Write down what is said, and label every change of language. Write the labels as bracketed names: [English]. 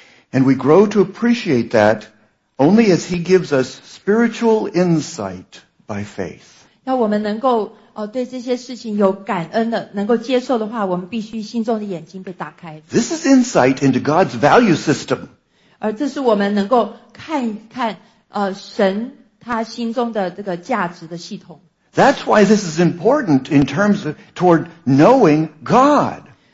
[English] And we grow to appreciate that only as He gives us spiritual insight by faith. [Chinese] 要我们能够对这些事情有感恩的，能够接受的话，我们必须心中的眼睛被打开。 [English] This is insight into God's value system. [Chinese] 而这是我们能够看一看神他心中的这个价值的系统。 [English] That's why this is important in terms of toward knowing God.